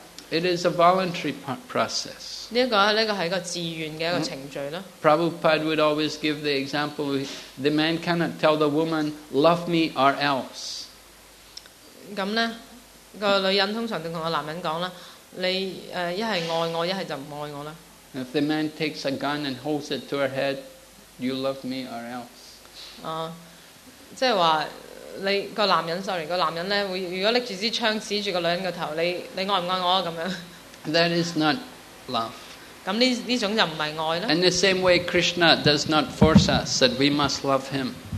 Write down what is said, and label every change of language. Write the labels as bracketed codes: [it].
[en] It is a voluntary process. Prabhupada would always give the example, the man cannot tell the woman, love me or else. If the man takes a gun and holds it to her head, you love me or else. [zh] 如果拿着枪指着女人的头，你爱不爱我？这样。 [en] That is not love. [zh] 这种就不是爱了。 [en] In the same way, Krishna does not force us that we must love him.